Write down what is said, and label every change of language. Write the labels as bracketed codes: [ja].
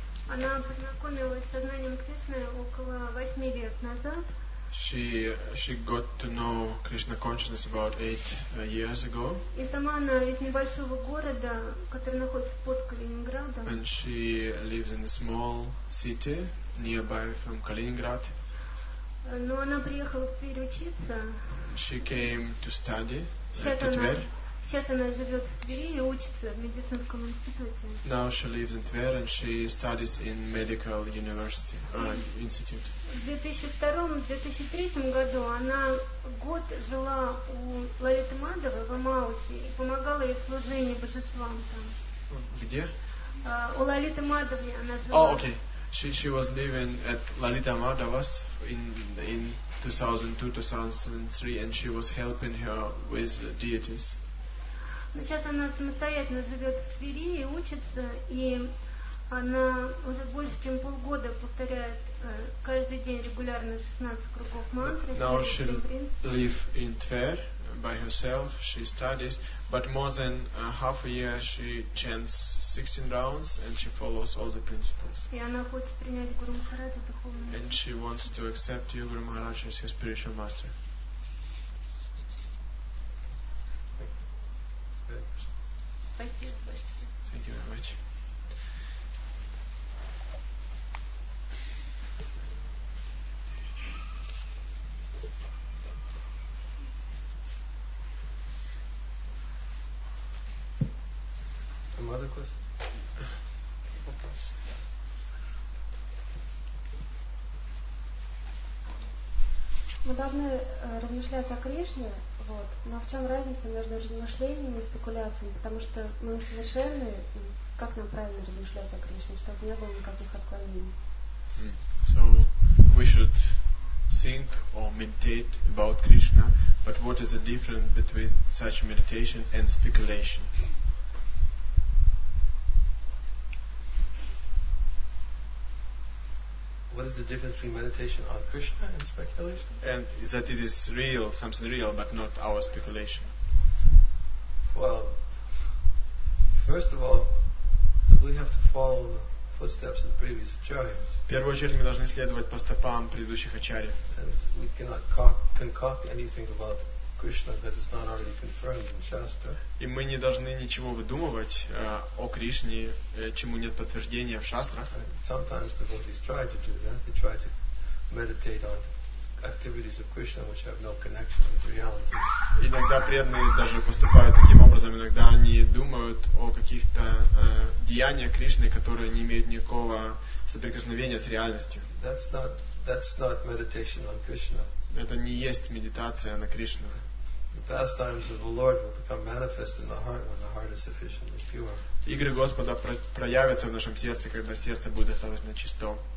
[ru] Она познакомилась с сознанием Кришны около 8 лет назад. [en] She got to know Krishna consciousness about 8 years ago. [ru] И сама она из небольшого города, который находится под Калининградом. [en] And she lives in a small city nearby from Kaliningrad. [ru] Но она приехала в Тверь учиться. [en] She came to study. [ru] Сейчас Сейчас она живет в Твери и учится в медицинском институте. [en] Now she lives in Tver and she studies in medical university institute. [ru] В 2002-2003 году она год жила у Лолиты Мадовой в Амаусе и помогала ей в служении божествам там. Где? У Лолиты Мадовой она жила. [en] Oh, okay. She was living at Lalita Madhava's in 2002-2003 and she was helping her with deities. [ru] Но сейчас она самостоятельно живет в Твери и учится, и она уже больше чем полгода повторяет каждый день регулярно 16 кругов мантры. [en] Now she live in Tver by herself. She studies, but more than half a year she chants 16 rounds and she follows all the principles. [ru] И она хочет принять Гуру Махараджа духовным. [en] And she wants to accept Guru Maharaj as her spiritual master. Thank you. Thank you very much. Some other questions? [ru] Мы должны размышлять о Кришне. Вот. Но в чем разница между размышлениями и спекуляциями? Потому что мы совершенны, как нам правильно размышлять о Кришне, чтобы не было никаких отклонений. [en] So we should think or meditate about Krishna, but what is the difference between such meditation and speculation? What is the difference between meditation on Krishna and speculation? And that it is real, something real, but not our speculation. Well, first of all, we have to follow the footsteps of the previous acharyas. [ru] В первую очередь мы должны следовать по стопам предыдущих ачарьев. [en] And we cannot concoct anything about Krishna that is not already confirmed in Shastra. [ru] И мы не должны ничего выдумывать о Кришне, чему нет подтверждения в шастрах. [en] Sometimes devotees try to do that. They try to meditate on activities of Krishna which have no connection with reality. [ru] Иногда преданные даже поступают таким образом. Иногда они думают о каких-то деяниях Кришны, которые не имеют никакого соприкосновения с реальностью. [en] That's not meditation on Krishna. [ru] Это не есть медитация на Кришну. [en] The pastimes of the Lord will become manifest in the heart when the heart is sufficiently pure. [ru] Игры Господа проявятся в нашем сердце, когда сердце будет достаточно чисто.